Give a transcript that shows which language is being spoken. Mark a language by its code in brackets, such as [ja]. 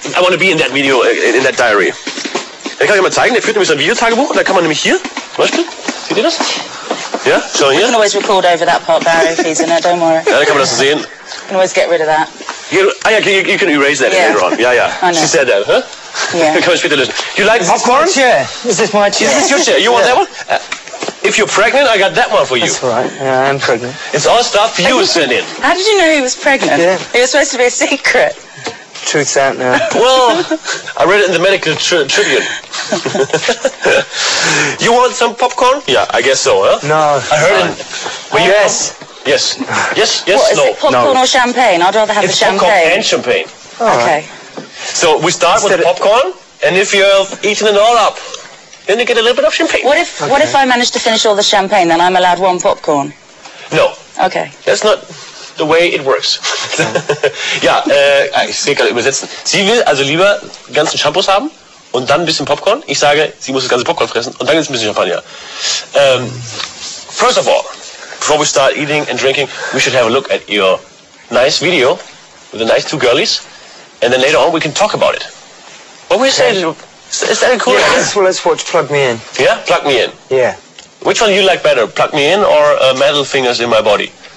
[en] I want to be in that video in that diary. [de] Ich kann euch mal zeigen. Der führt nämlich so ein Video Tagebuch. Da kann man nämlich hier, zum Beispiel, seht ihr das? [en] Yeah, show here. We can always record over that part, Barry, if he's in there, don't worry. [de] Ja, da kann man das sehen. [en] We can always get rid of that. You can erase that later on. Yeah, yeah. I know. She said that, huh? Yeah. Come on, speak to listen. You like popcorn? Yeah. Is this my chair? Is this your chair? You want that one? If you're pregnant, I got that one for you. That's all right. Yeah, I'm pregnant. It's all stuff you sent in. How did you know he was pregnant? Yeah. It was supposed to be a secret. Truth's out now. Well, I read it in the Medical Tribune. You want some popcorn? Yeah, I guess so, huh? No. I heard it. Yes. Yes. Yes. Yes. What, no. Is it popcorn or champagne? I'd rather have it's the champagne. It's popcorn and champagne. Oh, okay. So we start with the popcorn, and if you've eaten it all up, then you get a little bit of champagne. What if okay. What if I manage to finish all the champagne? Then I'm allowed one popcorn. No. Okay. That's not the way it works. [de] Ja, ich sehe gerade übersetzen. Sie will also lieber ganzen Shampoos haben und dann ein bisschen Popcorn. Ich sage, sie muss das ganze Popcorn fressen und dann ist ein bisschen Champagner. [en] First of all. Before we start eating and drinking, we should have a look at your nice video with the nice two girlies, and then later on we can talk about it. What were you saying? Is that a cool idea? Yeah, let's watch Plug Me In. Yeah? Plug Me In. Yeah. Which one do you like better, Plug Me In or Metal Fingers In My Body?